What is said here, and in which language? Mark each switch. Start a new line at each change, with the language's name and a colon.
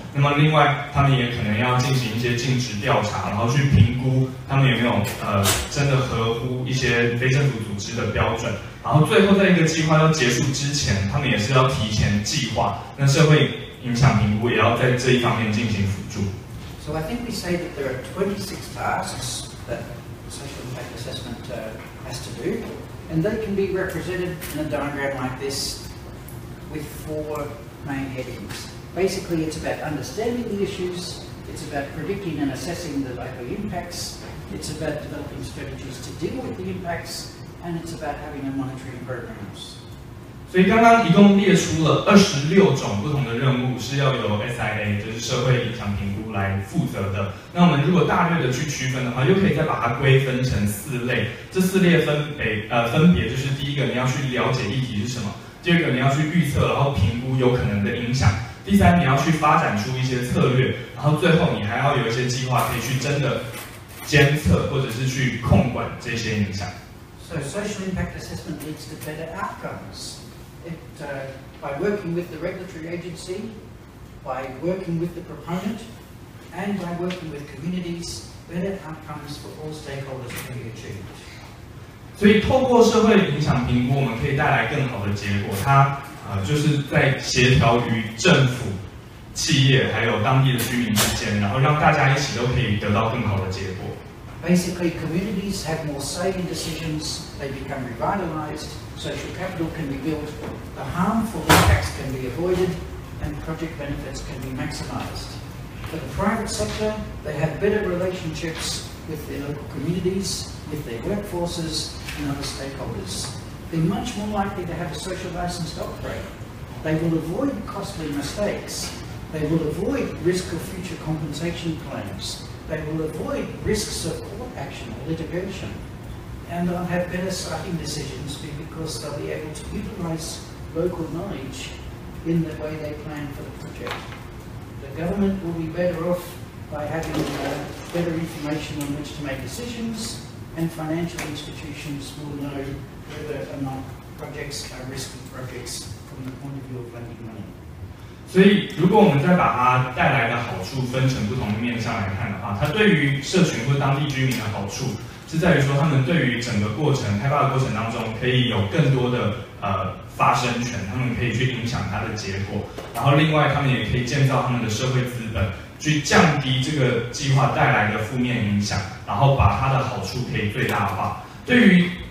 Chinese: 那么，另外他们也可能要进行一些尽职调查，然后去评估他们有没有真的合乎一些非政府组织的标准。然后最后，在一个计划要结束之前，他们也是要提前计划。那社会影响评估也要在这一方面进行辅助。
English: So I think we say that there are 26 tasks that social impact assessment has to do, and they can be represented in a diagram like this with four main headings. Basically, it's about understanding the issues, it's about predicting and assessing the likely impacts, it's about developing strategies to deal with the impacts, and it's about having a monitoring programs.
Chinese: 所以刚刚一共列出了26种不同的任务是要由 SIA 就是社会影响评估来负责的。那我们如果大略的去区分的话，又可以再把它归分成四类。这四列分别就是：第一个，你要去了解议题是什么；第二个，你要去预测然后评估有可能的影响；第三，你要去发展出一些策略；然后最后，你还要有一些计划可以去真的监测或者是去控管这些影响。
English: So social impact assessment leads to better outcomes. By working with the regulatory agency, by working with the proponent, and by working with communities, better outcomes for all stakeholders can be achieved. 所以透过社会影响评估，我们可以带来更好的结果。它就是在协调于政府、企业还有当地的居民之间，然后让大家一起都可以得到更好的结果。 Basically, communities have more say in decisions. They become revitalized. Social capital can be built, the harmful impacts can be avoided, and project benefits can be maximized. For the private sector, they have better relationships with their local communities, with their workforces, and other stakeholders. They're much more likely to have a social license to operate. They will avoid costly mistakes. They will avoid risk of future compensation claims. They will avoid risks of court action or litigation. And they'll have better siting decisions because they'll be able to utilize local knowledge in the way they plan for the project. The government will be better off by having better information on which to make decisions, and financial institutions will know whether or not projects are risky projects from the point of view of lending money.
Chinese: 所以如果我们再把它带来的好处分成不同的面向来看的话，它对于社群或当地居民的好处是在于说，他们对于整个过程开发的过程当中可以有更多的发声权，他们可以去影响它的结果。然后另外他们也可以建造他们的社会资本，去降低这个计划带来的负面影响，然后把它的好处可以最大化。对于